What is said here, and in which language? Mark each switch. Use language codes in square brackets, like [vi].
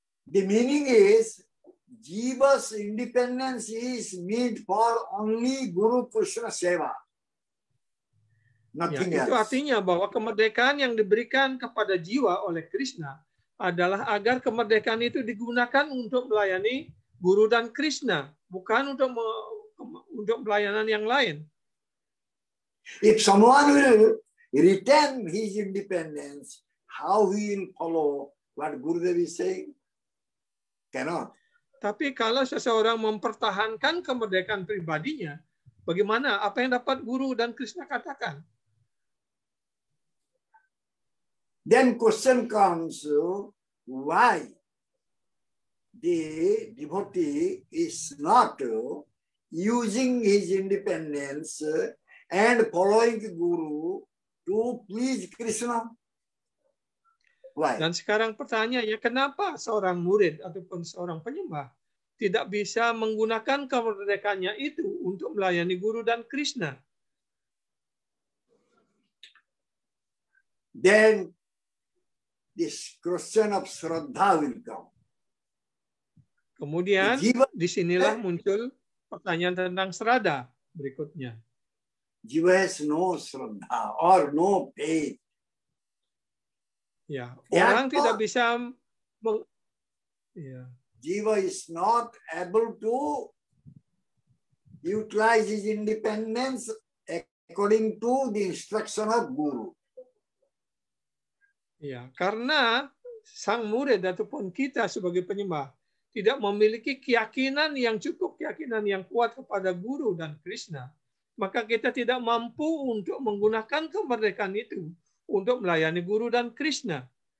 [en] The meaning is jiva's independence is meant for only Guru Krishna seva. Nothing else. [id] Itu artinya bahwa kemerdekaan yang diberikan kepada jiwa oleh Krishna adalah agar kemerdekaan itu digunakan untuk melayani Guru dan Krishna, bukan untuk pelayanan yang lain. [en] If someone will retain his independence, how he will follow what Gurudev is saying? Cannot. [id] Tapi kalau seseorang mempertahankan kemerdekaan pribadinya, bagaimana? Apa yang dapat Guru dan Krishna katakan? [en] Then question comes, why the devotee is not using his independence and following the guru to please Krishna? Why? [id] Dan sekarang pertanyaannya, kenapa seorang murid ataupun seorang penyembah tidak bisa menggunakan kemerdekaannya itu untuk melayani guru dan Krishna? [en] Then this question of Shraddha will come. [id] Kemudian disinilah muncul pertanyaan tentang Shraddha berikutnya. [en] Jiva has no Shraddha or no faith. [id] Ya, orang tidak bisa. [en] Jiva is not able to utilize his independence according to the instruction of Guru. [id] Ya, karena sang murid ataupun kita sebagai penyembah tidak memiliki keyakinan yang cukup, keyakinan yang kuat kepada Guru dan Krishna, maka kita tidak mampu untuk menggunakan kemerdekaan itu untuk melayani Guru dan Krishna.